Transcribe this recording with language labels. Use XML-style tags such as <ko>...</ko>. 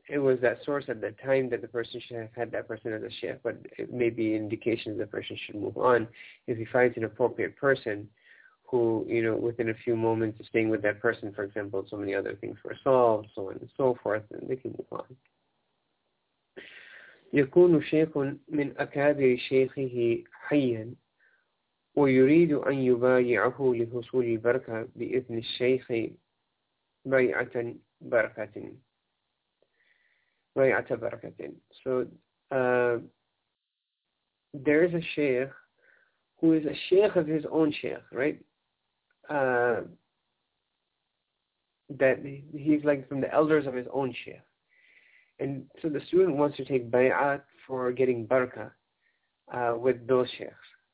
<en>It was that source at the time that the person should have had that person as a sheikh, but it may be an indication that the person should move on if he finds an appropriate person who, you know, within a few moments of staying with that person, for example, so many other things were solved, so on and so forth, and they can move on.</en> <ar>يكون شيخ من أكابر شيخه حيا ويريد أن يبايعه لحصول البركة بإذن الشيخ بيعة بركة بيعة بركة.</ar> <en>So there is a sheikh who is a sheikh of his own sheikh, right? That he's like from the elders of his own sheikh. And so the student wants to take bay'at for getting barakah with those sheikhs.</en>